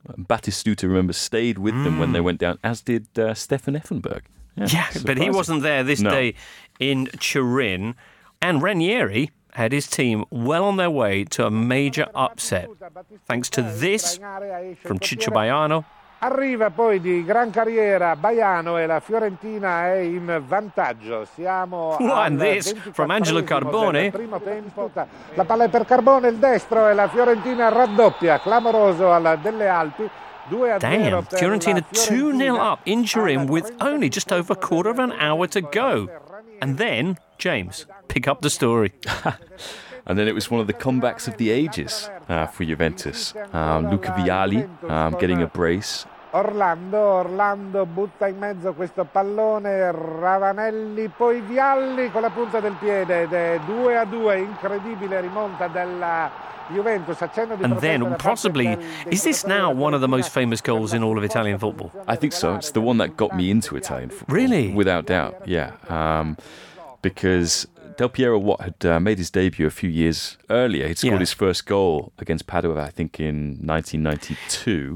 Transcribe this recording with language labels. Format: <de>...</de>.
<en>Battistuta, remember, stayed with them when they went down, as did Stefan Effenberg. Yeah, but he wasn't there this day in Turin. And Ranieri had his team well on their way to a major upset, thanks to this from Ciccio Baiano.</en> <it>Arriva poi di gran carriera Baiano e la Fiorentina è in vantaggio. Siamo</it> <en>and this from Angelo Carbone.</en> <it>Primo tempo. La palla è per Carbone, il destro e la Fiorentina raddoppia, clamoroso alla delle Alpi.</it> <en>Damn, Fiorentina 2-0 up in Turin with only just over a quarter of an hour to go. And then, James, pick up the story. And then it was one of the comebacks of the ages for Juventus. Luca Vialli getting a brace</en> <it>Orlando butta in mezzo questo pallone, Ravanelli, poi Vialli con la punta del piede ed è 2-2, incredibile rimonta della Juventus.</it> <en>And then, possibly, is this now one of the most famous goals in all of Italian football? I think so. It's the one that got me into Italian football. Really? Without doubt, yeah. Because Del Piero, what had made his debut a few years earlier, he'd scored his first goal against Padua, I think, in 1992.</en>